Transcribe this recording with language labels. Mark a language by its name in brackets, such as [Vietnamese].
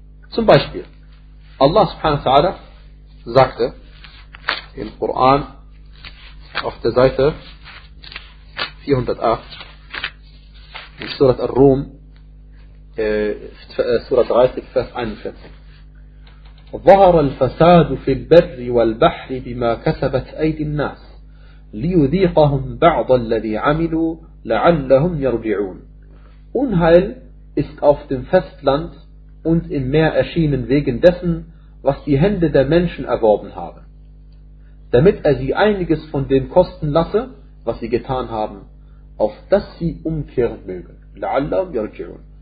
[German] Zum Beispiel, Allah subhanahu wa ta'ala sagte im Koran auf der Seite 408 in Surat Ar-Rum, Surat 30, Vers 41. [Arabic] ظهر الفساد في البر والبحر بما كسبت أيدي الناس ليذيقهم بعض الذي عملوا لعلهم يرجعون. [German] Unheil ist auf dem Festland und im Meer erschienen wegen dessen, was die Hände der Menschen erworben haben, damit er sie einiges von dem kosten lasse, was sie getan haben, auf das sie umkehren mögen. [Arabic] لعلهم يرجعون.